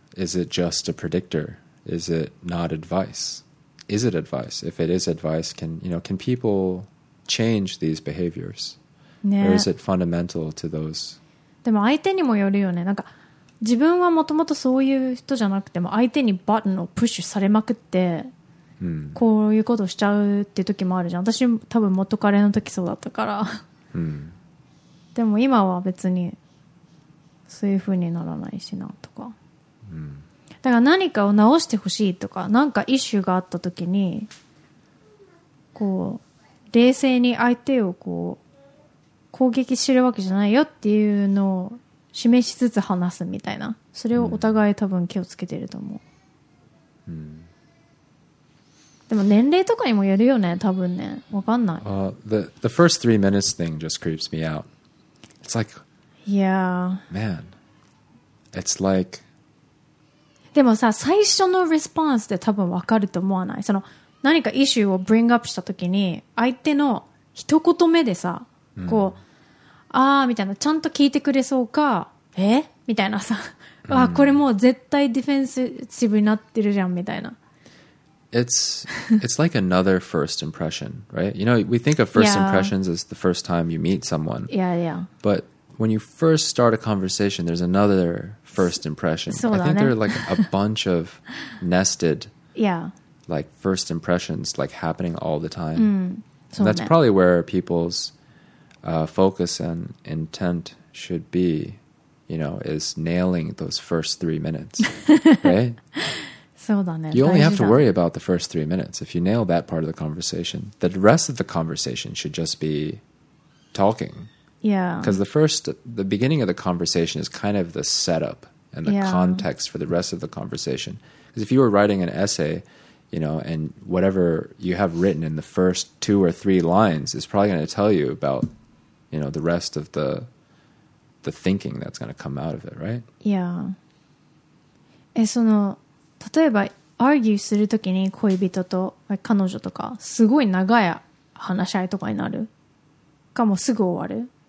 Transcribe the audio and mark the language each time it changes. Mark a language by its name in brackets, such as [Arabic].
[English] Is it just a predictor? Is it not advice? Is it advice? If it is advice, can, you know, can people change these behaviors? [Japanese] ね、 [English] Or is it fundamental to those? [Japanese] でも相手にもよるよね。なんか自分はもともとそういう人じゃなくても相手にバトンをプッシュされまくってこういうことしちゃうっていう時もあるじゃん。私多分元彼の時そうだったから。でも今は別にそういう風にならないしなとか、だから何かを直してほしいとか何かイシューがあった時にこう冷静に相手をこう攻撃してるわけじゃないよっていうのを示しつつ話すみたいな、それをお互い多分気をつけてると思う、でも年齢とかにもよるよね多分ね、わかんない、 [English] the first three minutes thing just creeps me out. It's like Yeah. Man. It's like... [Japanese] でもさ、最初のレスポンスで多分わかると思わない？その、何かイシューをブリングアップしたときに、相手の一言目でさ、こう、ああ、みたいな、ちゃんと聞いてくれそうか、え？みたいなさ、あ、これもう絶対ディフェンシブになってるじゃん、みたいな。 [English] It's like another first impression, right? You know, we think of first impressions as the first time you meet someone. Yeah, yeah. But... When you first start a conversation, there's another first impression. [Japanese] そうだね。 [English] I think there are like a bunch of nested, yeah, like first impressions like happening all the time. [Japanese] そうね。 [English] That's probably where people's focus and intent should be, you know, is nailing those first 3 minutes, right? [Japanese] そうだね。 [English] You only have to worry about the first 3 minutes. If you nail that part of the conversation, the rest of the conversation should just be talking. Yeah. Because the beginning of the conversation is kind of the setup and the context for the rest of the conversation. Because if you were writing an essay, you know, and whatever you have written in the first two or three lines is probably going to tell you about, you know, the rest of the thinking that's going to come out of it, right? Yeah. [Japanese] その、例えば、argue するときに恋人と、彼女とか、すごい長い話し合いとかになる？かもすぐ終わる？